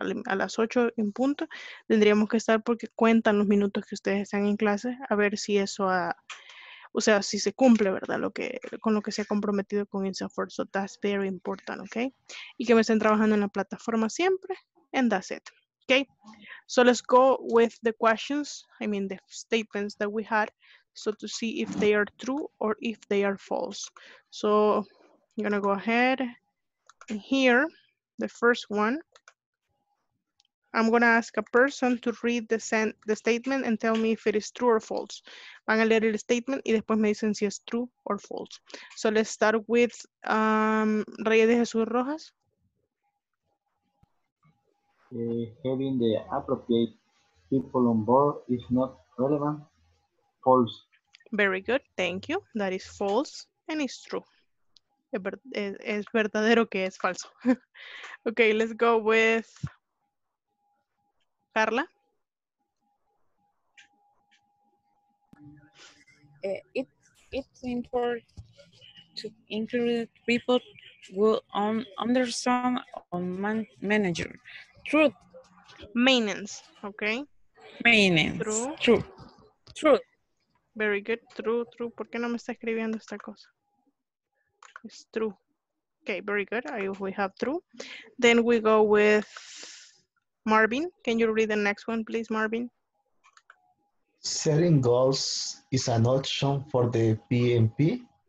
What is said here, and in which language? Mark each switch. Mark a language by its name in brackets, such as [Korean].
[Spanish] A las 8 en punto tendríamos que estar porque cuentan los minutos que ustedes están en clase a ver si eso o sea, si se cumple, ¿verdad? Con lo que se ha comprometido con Insafor. [English] So that's very important, [Spanish] ¿ok? Y que me estén trabajando en la plataforma siempre. [English] And that's it, ¿ok? So let's go with the questions, I mean the statements that we had, so to see if they are true or if they are false. So I'm going to go ahead and hear the first one. I'm going to ask a person to read the statement and tell me if it is true or false. [Spanish] Van a leer el statement y después me dicen si es [English] true or false. So let's start with Reyes de Jesús Rojas. Having the appropriate people on board is not relevant. False. Very good. Thank you. That is false and is true. [Spanish] Es verdadero que es falso. [English] Okay, let's go with... Carla? It seems for to include people who understand on manager. Truth. Maintenance, okay? Maintenance. True. Very good. True. [Spanish] ¿Por qué no me está escribiendo esta cosa? [English] It's true. Okay, very good. We have true. Then we go with Marvin, can you read the next one, please, Marvin? Setting goals is an option for the PMP?